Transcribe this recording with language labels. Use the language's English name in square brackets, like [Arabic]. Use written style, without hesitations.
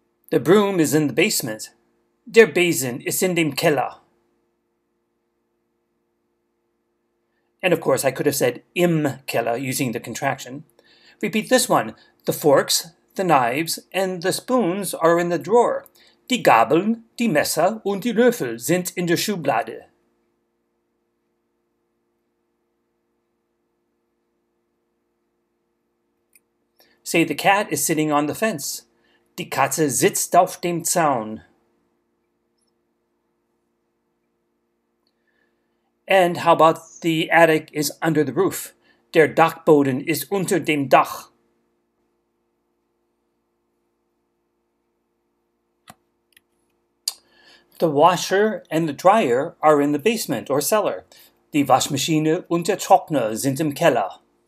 [English] The broom is in the basement. [German] Der Besen ist in dem Keller. [English] And of course, I could have said im Keller using the contraction. Repeat this one. The forks, the knives, and the spoons are in the drawer. [German] Die Gabeln, die Messer und die Löffel sind in der Schublade. [English] Say the cat is sitting on the fence. [German] Die Katze sitzt auf dem Zaun. [English] And how about the attic is under the roof? [German] Der Dachboden ist unter dem Dach. [English] The washer and the dryer are in the basement or cellar. [German] Die Waschmaschine und der Trockner sind im Keller.